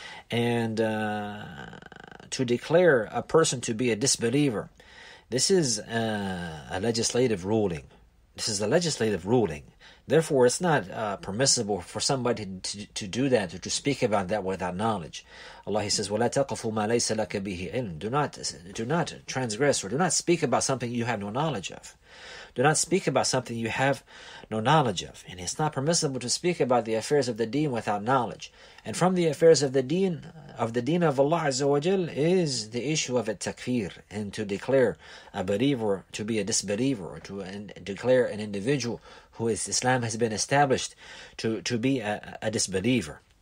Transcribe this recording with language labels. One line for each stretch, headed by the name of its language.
English: And to declare a person to be a disbeliever, this is a legislative ruling. This is a legislative ruling. Therefore, it's not permissible for somebody to do that, or to speak about that without knowledge. Allah, he says,
Arabic: وَلَا تَقْفُ مَا لَيْسَ لَكَ بِهِ عِلْمٍ.
English: Do not transgress, or do not speak about something you have no knowledge of. Do not speak about something you have no knowledge of. And it's not permissible to speak about the affairs of the deen without knowledge. And from the affairs of the deen of Allah Azza wa Jal is the issue of a takfir, and to declare a believer to be a disbeliever, or to declare an individual who is Islam has been established to be a disbeliever.